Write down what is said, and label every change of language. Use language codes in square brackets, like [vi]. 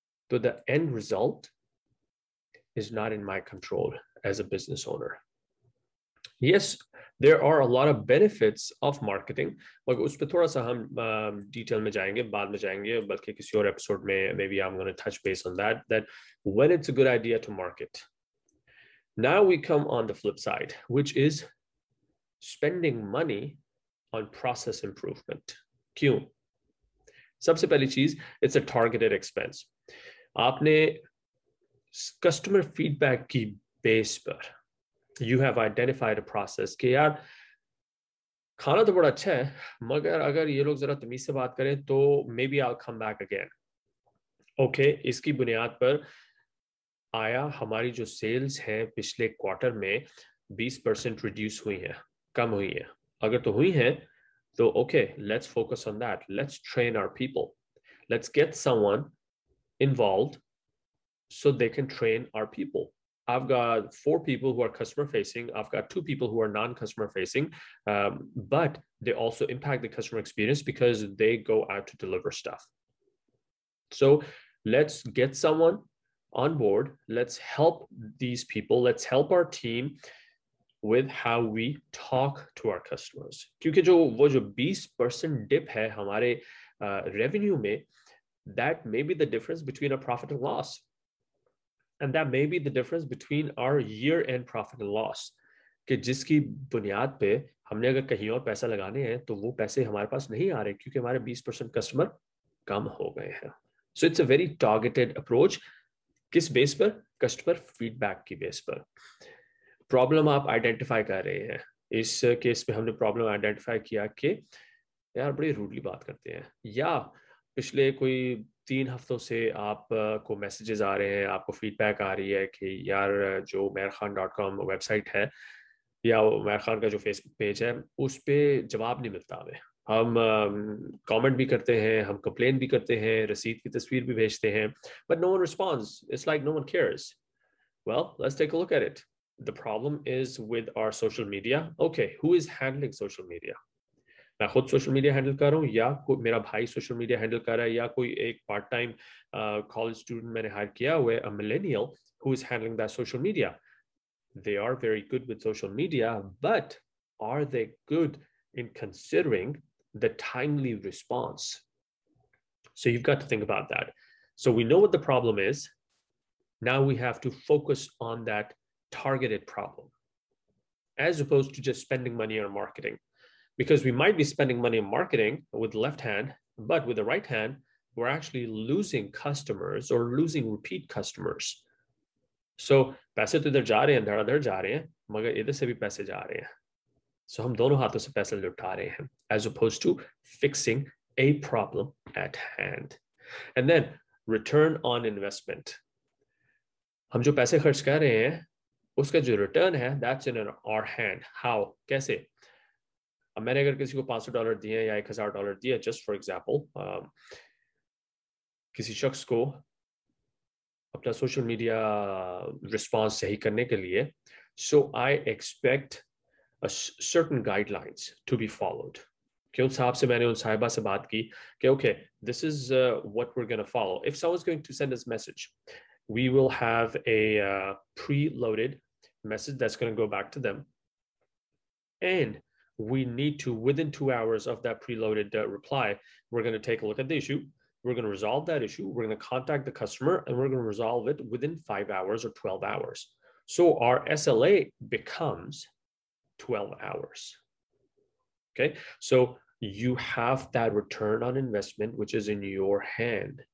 [en] तो the end result is not in my control as a business owner yes there are a lot of benefits of marketing [hi] मगर उस पर थोड़ा सा हम डिटेल में जाएंगे बाद में जाएंगे बल्कि किसी और एपिसोड में [en] Maybe I am gonna touch base on that that when it's a good idea to market now we come on the flip side which is spending money on process improvement. [hi] क्यों? सबसे पहली चीज [en] it's a targeted expense. [hi] आपने customer feedback की base पर [en] you have identified a process [hi] कि यार खाना तो बड़ा अच्छा है मगर अगर ये लोग जरा तमीज से बात करें तो [en] maybe I'll come back again. [hi] Okay, इसकी बुनियाद पर आया हमारी जो sales है पिछले quarter में 20% reduce हुई है कम हुई है अगर तो हुई है तो [en] Okay let's focus on that let's train our people let's get someone involved so they can train our people I have got four people who are customer facing I have got two people who are non customer facing but they also impact the customer experience because they go out to deliver stuff so let's get someone on board. Let's help these people. Let's help our team with how we talk to our customers. Because [hi] jo wo jo 20% dip hai hamare revenue mein, [en] that may be the difference between a profit and loss. And that may be the difference between our year-end profit and loss. [hi] कि जिसकी बुनियाद पे हमने अगर कहीं और पैसा लगाने हैं तो वो पैसे हमारे पास नहीं आ रहे क्योंकि हमारे 20% कस्टमर कम हो गए हैं. [en] So it's a very targeted approach. [hi] किस बेस पर? कस्टमर फीडबैक की बेस पर. प्रॉब्लम आप आइडेंटिफाई कर रहे हैं. इस केस में हमने प्रॉब्लम आइडेंटिफाई किया कि यार बड़ी रूडली बात करते हैं, या पिछले कोई 3 हफ्तों से आपको मैसेजेस आ रहे हैं, आपको फीडबैक आ रही है कि यार जो umairkhan.com वेबसाइट है या उमर खान का जो फेसबुक पेज है उस पे जवाब नहीं मिलता हमें. हम कमेंट भी करते हैं, हम कंप्लेन भी करते हैं, रसीद की तस्वीर भी भेजते हैं, [en] But no one response. It's like no one cares. Well let's take a look at it. The problem is with our social media. Okay, who is handling social media? [hi] मैं खुद सोशल मीडिया हैंडल कर रहा हूँ, या कोई मेरा भाई social media handle कर रहा है, या कोई एक पार्ट टाइम कॉलेज स्टूडेंट मैंने हायर किया हुआ है, [en] A millennial, who is handling that social media. They are very good with social media, but are they good in considering the timely response? So you've got to think about that. So we know what the problem is. Now we have to focus on that targeted problem, as opposed to just spending money on marketing. Because we might be spending money on marketing with the left hand, but with the right hand, we're actually losing customers or losing repeat customers. [hi] So, पैसे तो इधर जा रहे हैं, धड़ाधड़ जा रहे हैं, मगर इधर से भी पैसे जा रहे हैं. [en] So, [hi] हम दोनों हाथों से पैसे लुटा रहे हैं, [en] as opposed to fixing a problem at hand. And then, return on investment. [hi] हम जो पैसे खर्च कर रहे हैं, उसका जो return है, [en] that's in our hand. How? [hi] कैसे? अब मैंने अगर किसी को $500 दिए या $1,000 दिए, [en] just for example, [hi] किसी शख्स को अपना सोशल मीडिया रिस्पॉन्स सही करने के लिए, [en] So I expect certain guidelines to be followed. [hi] कि उन साहब से मैंने उन साहिबा से बात की कि okay, [en] This is what we are going to follow. If someone is going to send this message, we will have a pre loaded message that's going to go back to them, and we need to within 2 hours of that pre loaded reply, we are going to take a look at the issue. We're going to resolve that issue. We're going to contact the customer and we're going to resolve it within 5 hours or 12 hours. So our SLA becomes 12 hours. Okay. So you have that return on investment, which is in your hand.